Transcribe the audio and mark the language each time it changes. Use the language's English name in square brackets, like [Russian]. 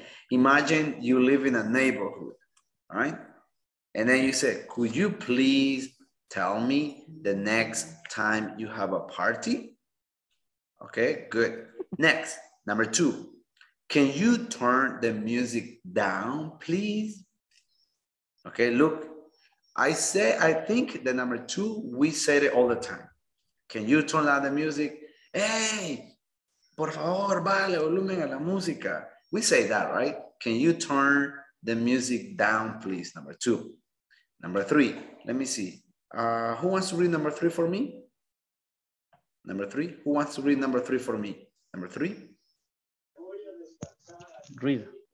[English] Imagine you live in a neighborhood, right? And then you say, could you please tell me the next time you have a party? Okay, good. Next, number two, can you turn the music down, please? Okay, look, I think the number two, we say it all the time. Can you turn down the music? [Spanish] Hey, por favor, bájale volumen a la música. [English] We say that, right? Can you turn the music down, please, number two. Number three, let me see. Who wants to read number three for me? Number three, who wants to read number three for me? Number three? Read.